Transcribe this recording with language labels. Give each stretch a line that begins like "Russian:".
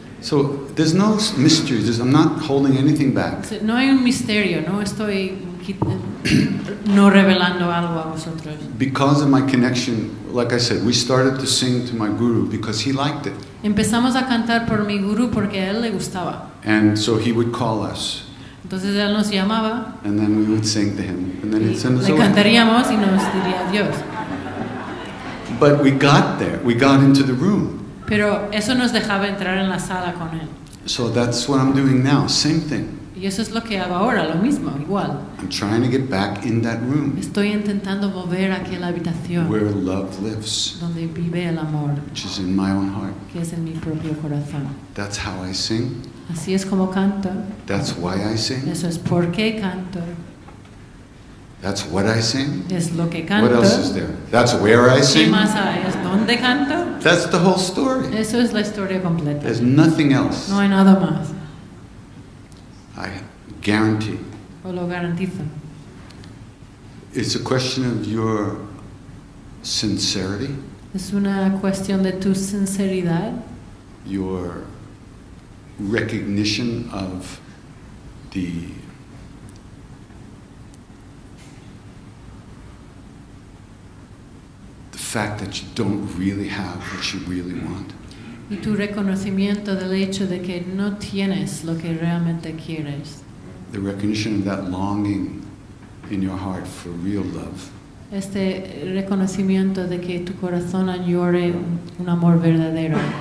English: So there's no mystery. I'm not holding anything back.
Spanish: No hay un misterio. No estoy no revelando algo a vosotros.
English: Because of my connection, like I said, we started to sing to my guru because he liked it.
Spanish: Empezamos a cantar por mi guru porque a él le gustaba.
English: And so he would call us.
Spanish: Entonces él nos llamaba.
English: And then we would sing to him. And then he'd send us
Spanish: le cantaríamos y nos diría adiós.
English: But we got there. We got into the room.
Spanish: Pero eso nos dejaba entrar en la sala con él.
English: So that's what I'm doing now. Same thing.
Spanish: Y eso es lo que hago ahora, lo mismo, igual.
English: I'm trying to get back in that room.
Spanish: Estoy intentando volver a aquella habitación.
English: Where love lives.
Spanish: Donde vive el amor.
English: Which is in my own heart.
Spanish: Que es en mi propio corazón.
English: That's how I sing.
Spanish: Así es como canto.
English: That's why I sing.
Spanish: Eso es por qué canto.
English: That's what I sing.
Spanish: Es lo que canto.
English: What else is there? That's where I sing.
Spanish: ¿Qué más hay? ¿Es donde canto?
English: That's the whole story.
Spanish: Eso es la historia completa.
English: There's nothing else.
Spanish: No hay nada más.
English: I guarantee.
Spanish: O lo garantizo.
English: It's a question of your sincerity.
Spanish: Es una cuestión de tu sinceridad.
English: Your recognition of the fact that you don't really have what you really want.
Spanish: Y tu reconocimiento del hecho de que no tienes lo que realmente quieres.
English: The recognition of that longing in your heart for real love.
Spanish: Este reconocimiento de que tu corazón añore un amor verdadero.